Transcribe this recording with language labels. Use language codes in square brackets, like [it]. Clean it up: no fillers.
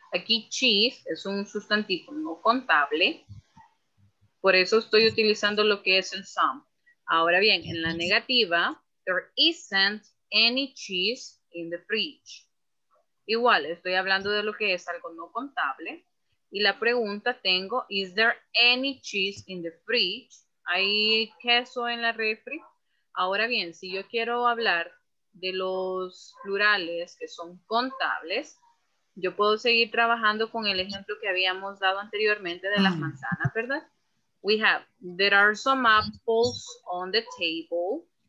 [es] Aquí cheese es un sustantivo no contable. Por eso estoy utilizando lo que es el some. Ahora bien, en la negativa, [en] there isn't any cheese in the fridge? [es] Igual, estoy hablando de lo que es algo no contable. Y la pregunta tengo, [en] is there any cheese in the fridge? [es] ¿Hay queso en la refri? Ahora bien, si yo quiero hablar de los plurales que son contables, yo puedo seguir trabajando con el ejemplo que habíamos dado anteriormente de las manzanas, ¿verdad? [en] We have, there are some apples on the table.